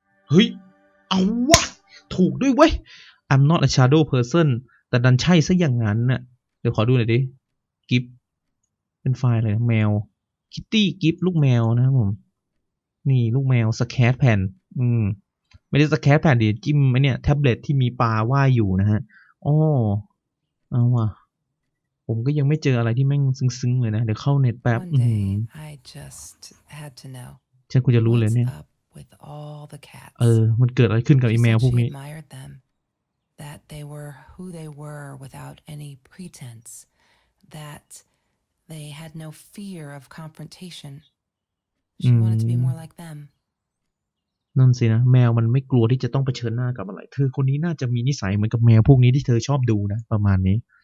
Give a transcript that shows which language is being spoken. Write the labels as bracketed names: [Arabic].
[Thai] เฮ้ยเอาวะถูกด้วยเว้ย [English] I'm not a shadow person [Thai] แต่ดันใช่ซะอย่างนั้นน่ะเดี๋ยวขอดูหน่อยดิกิฟเป็นไฟล์อะไรนะแมวคิตตี้กิฟลูกแมวนะครับผมนี่ลูกแมวสแครปแผ่นไม่ได้สแครปแผ่นดิจิ้มไอเนี่ยแท็บเล็ตที่มีปลาว่ายอยู่นะฮะอ้อเอาว่ะผมก็ยังไม่เจออะไรที่แม่งซึ้งๆเลยนะเดี๋ยวเข้าเน็ตแป๊บ [English] I just had to know [Thai] ฉันควรจะรู้เลยเนี่ย [English] With all the cats. [Thai] มันเกิดอะไรขึ้นกับอีแมวพวกนี้ [English] She admired them. That they were who they were without any pretense. That they had no fear of confrontation. She wanted to be more like them. [Thai] นั่นสินะแมวมันไม่กลัวที่จะต้องเผชิญหน้ากับอะไรเธอคนนี้น่าจะมีนิสัยเหมือนกับแมวพวกนี้ที่เธอชอบดูนะประมาณนี้